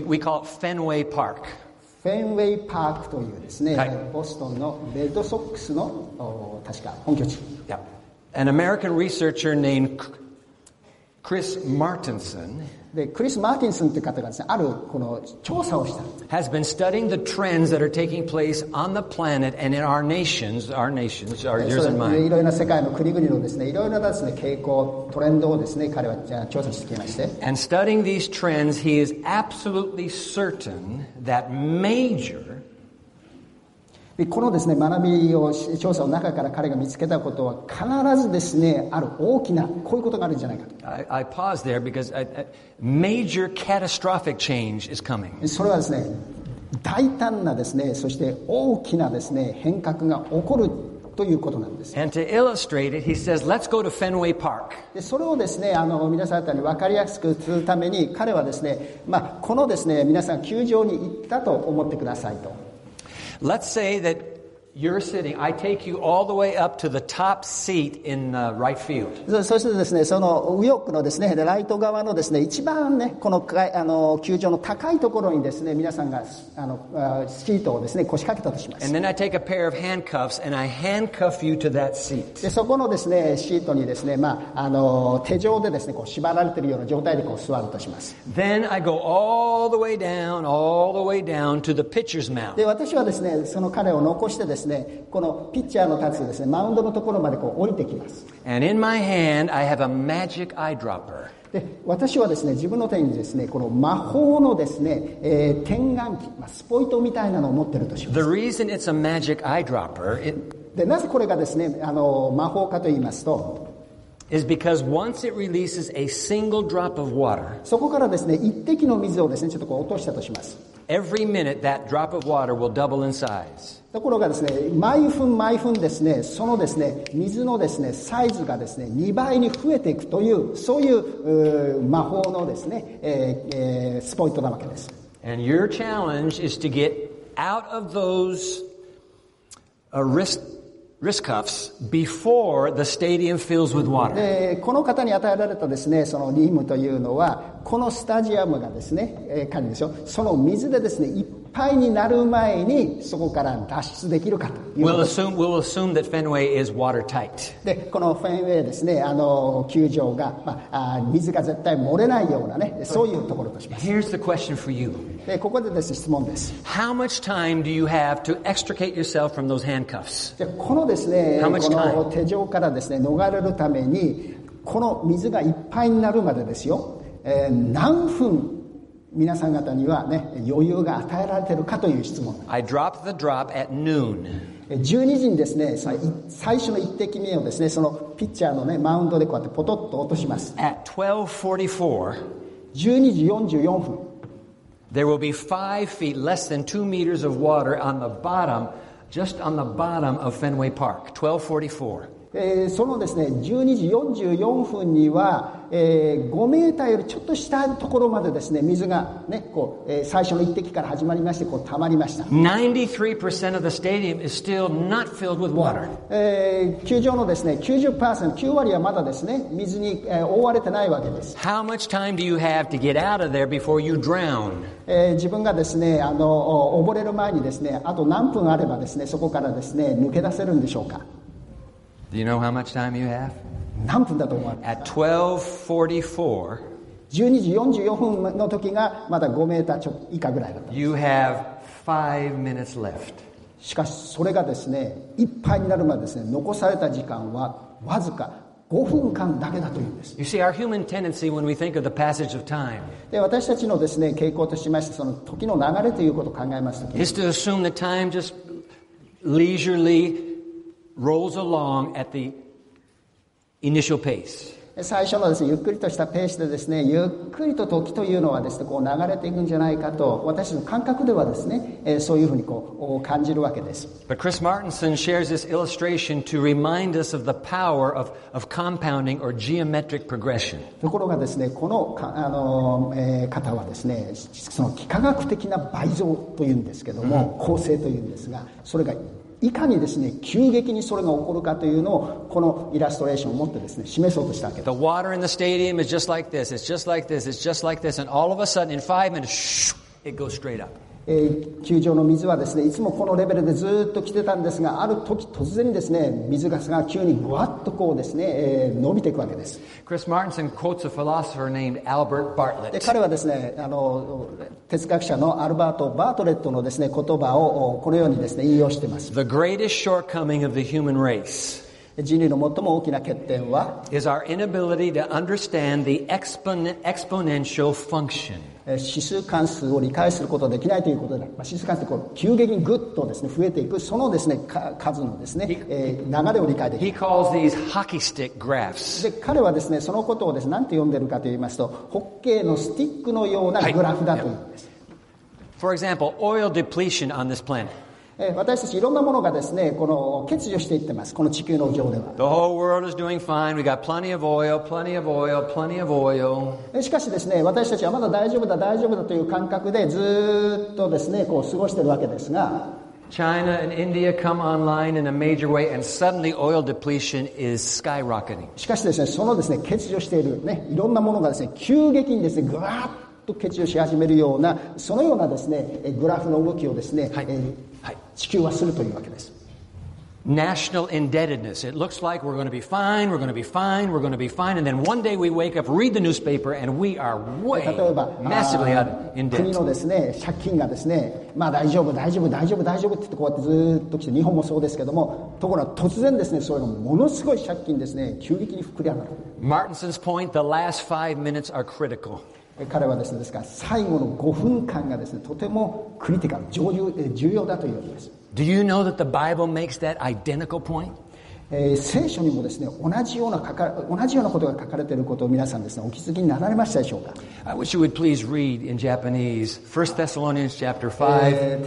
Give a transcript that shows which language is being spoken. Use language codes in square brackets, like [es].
[en] We call it Fenway Park. [ja] Fenway Park というですね、はい、ボストンのレッドソックスの確か本拠地。 [en] Yeah. An American researcher named Chris Martinson. [ja] で、クリス・マーティンソンという方がですね、あるこの調査をした。 [en] Has been studying the trends that are taking place on the planet and in our nations, our years and mine. [ja] いろいろな世界の国々のですね、いろいろなですね、傾向、トレンドをですね、彼は調査してきまして。 [en] And studying these trends, he is absolutely certain that major. [ja] で、このですね、学びを、調査の中から彼が見つけたことは、必ずですね、ある大きな、こういうことがあるんじゃないかと。 [en] I pause there because a major catastrophic change is coming. [ja] それはですね、大胆なですね、そして大きなですね、変革が起こるということなんです。 [en] And to illustrate it, he says, let's go to Fenway Park. [ja] で、それをですね、皆さん方に分かりやすくするために、彼はですね、まあ、このですね、皆さん、球場に行ったと思ってくださいと。 [en] Let's say that you're sitting. I take you all the way up to the top seat in the right field. [ja] そしてですね、その右奥のですね、ライト側のですね、一番ね、この球場の高いところにですね、皆さんがシートをですね、腰掛けたとします。 [en] And then I take a pair of handcuffs and I handcuff you to that seat. [ja] で、そこのですね、シートにですね、まあ手錠でですね、こう縛られているような状態でこう座るとします。 [en] Then I go all the way down to the pitcher's mound. [ja] で、私はですね、その彼を残してですね、このピッチャーの立つですね、マウンドのところまでこう降りてきます。 [en] And in my hand, I have a magic eyedropper. [ja] で、私はですね、自分の手にですね、この魔法のですね、点眼器、まあ、スポイトみたいなのを持ってるとします。 [en] The reason it's a magic eyedropper, it... [ja] で、なぜこれがですね、魔法かと言いますと、 [en] is because once it releases a single drop of water, [ja] そこからですね、一滴の水をですね、ちょっとこう落としたとします。 [en] Every minute, that drop of water will double in size. [ja] ところがですね、毎分ですね、そのですね、水のですね、サイズがですね、2倍に増えていくという、そういう魔法のですね、スポイトなわけです。 [en] And your challenge is to get out of those wrist cuffs before the stadium fills with water. [ja] で、この方に与えられたですね、その任務というのは、このスタジアムがですね、管理でしょ、その水でですね、ぱいになる前にそこから脱出できるかということです。 [en] We'll assume that Fenway is watertight. [ja] で、このフェンウェイですね、あの球場が、まあ、水が絶対漏れないようなね、そういうところとします。 [en] Here's the question for you. [ja] で、ここでですね、質問です。 [en] How much time do you have to extricate yourself from those handcuffs? [ja] で、このですね、この手錠からですね、逃れるためにこの水がいっぱいになるまでですよ、何分皆さん方にはね、余裕が与えられているかという質問。 [en] I dropped the drop at noon. [ja] 12時にですね、最初の一滴目をですね、そのピッチャーのね、マウンドでこうやってポトッと落とします。 [en] At 12:44, [ja] 12時44分。 [en] There will be 5 feet, less than 2 meters of water on the bottom, just on the bottom of Fenway Park. 12:44. [ja] そのですね、12時44分には、5メーターよりちょっと下のところまでですね、水がね、こう、最初の一滴から始まりまして、こう、溜まりました。 [en] 93% of the stadium is still not filled with water. [ja] 球場のですね、90%、9割はまだですね、水に、覆われてないわけです。 [en] How much time do you have to get out of there before you drown? [ja] 自分がですね、あの、溺れる前にですね、あと何分あればですね、そこからですね、抜け出せるんでしょうか。 [en] Do you know how much time you have? [ja] 何分だと思われますか? [en] At 12:44, [ja] 12時44分の時がまだ5メーターちょ以下ぐらいだったんです。 [en] You have 5 minutes left. [ja] しかしそれがですね、いっぱいになるまでですね、残された時間はわずか5分間だけだというんです。 [en] You see, our human tendency when we think of the passage of time. [ja] で、私たちのですね、傾向としまして、その時の流れということを考えますときに、 [en] is to assume the time just leisurely. Rolls along at the initial pace. [ja] 最初のですね、ゆっくりとしたペースでですね、ゆっくりと時というのはですね、こう流れていくんじゃないかと、私の感覚ではですね、そういうふうにこう感じるわけです。 [en] But Chris Martinson shares this illustration to remind us of the power of compounding or geometric progression. [ja] ところがですね、この、方はですね、その幾何学的な倍増というんですけども、構成というんですが、それがいかにですね、急激にそれが起こるかというのをこのイラストレーションを持ってですね、示そうとしたわけです。 [en] The water in the stadium is just like this. It's just like this. It's just like this. And all of a sudden, in 5 minutes, it goes straight up. [ja] 球場の水はですね、いつもこのレベルでずっと来てたんですが、ある時突然にですね、水ガスが急にぐわっとこうですね、伸びていくわけです。 [en] Chris Martinson quotes a philosopher named Albert Bartlett. [ja] で、彼はですね、あの哲学者のアルバート・バートレットのですね、言葉をこのようにですね、引用しています。 [en] The greatest shortcoming of the human race [ja] 人類の最も大きな欠点は [en] is our inability to understand the exponential function. [ja] 指数関数を理解することはできないということで、指数関数が急激にぐっとですね増えていく、そのですね数のですね流れを理解できる。 [en] He calls these hockey stick graphs. [ja] で、彼はですね、そのことをですね、何て呼んでるかと言いますと、ホッケーのスティックのようなグラフだと言うんです。 [en] For example, oil depletion on this planet. [ja] 私たちいろんなものがですね、この欠如していってます、この地球の上では。 [en] The whole world is doing fine. We got plenty of oil, plenty of oil, plenty of oil. [ja] しかしですね、私たちはまだ大丈夫だ、大丈夫だという感覚でずっとですね、こう過ごしているわけですが。 [en] China and India come online in a major way, and suddenly oil depletion is skyrocketing. [ja] しかしですね、そのですね、欠如しているね、いろんなものがですね、急激にですね、ぐわっと欠如し始めるような、そのようなですね、グラフの動きをですね、はい地球はするというわけです。 [en] National indebtedness. It looks like we're going to be fine, we're going to be fine, we're going to be fine, and then one day we wake up, read the newspaper, and we are way massively out of in debt. [ja] 国のですね、借金がですね、まあ大丈夫、大丈夫、大丈夫、大丈夫ってこうやってずっと来て、日本もそうですけども、ところが突然ですね、そういうのものすごい借金ですね、急激に膨れ上がる。 [en] Martinson's point, the last five minutes are critical. [ja] 彼はですね、ですから最後の5分間がですね、とてもクリティカル、重要だというわけです。 [en] Do you know that the Bible makes that identical point? [ja] 聖書にもですね、同じようなことが書かれていることを皆さんですね、お気づきになられましたでしょうか? [en] I wish you would please read in Japanese, 1 Thessalonians chapter 5, 2,